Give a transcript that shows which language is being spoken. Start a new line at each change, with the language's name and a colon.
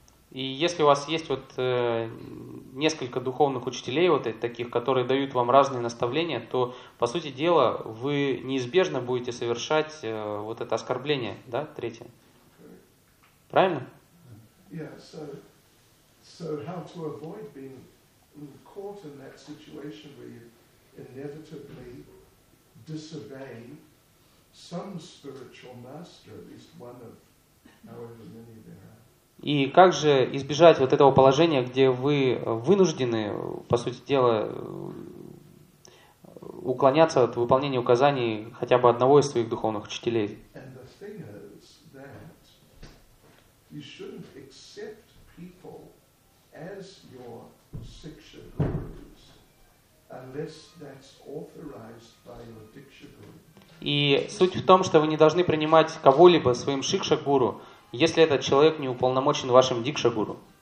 Russian: И если у вас есть вот несколько духовных учителей, вот таких, которые дают вам разные наставления, то, по сути дела, вы неизбежно будете совершать вот это оскорбление, да, третье? Правильно?
English: So how to avoid being caught in that situation where you inevitably disobey some spiritual master, at least one of however many there are.
Russian: И как же избежать вот этого положения, где вы вынуждены, по сути дела, уклоняться от выполнения указаний хотя бы одного из своих духовных учителей?
English: And the thing is that you shouldn't accept people as your siksha gurus unless that's authorized by your diksha guru.
Russian: И суть в том, что вы не должны принимать кого-либо своим шикша гуру, если этот человек не уполномочен вашим дикша гуру.